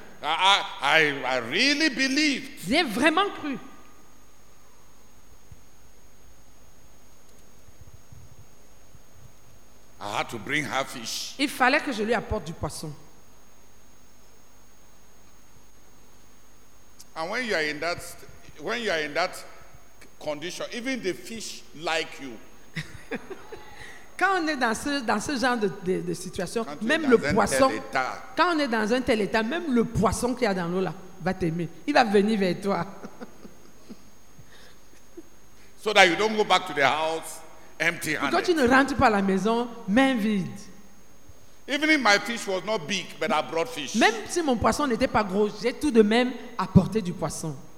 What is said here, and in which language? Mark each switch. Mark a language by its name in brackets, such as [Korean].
[English] I really believed. [French] J'ai vraiment cru. [English] I had to bring her fish. [French] Il fallait que je lui apporte du poisson. [English] And when you are in that condition, even the fish like you. [French] Quand on est dans ce genre de situation, même le poisson, quand on est dans un tel état, même le poisson qu'il y a dans l'eau là, va t'aimer. Il va venir vers toi. [English] So that you don't go back to the house empty-handed. [French] Quand tu ne rentres pas à la maison, main vide. [English] Even if my fish was not big, but I brought fish. [French] Même si mon poisson n'était pas gros, j'ai tout de même apporté du poisson.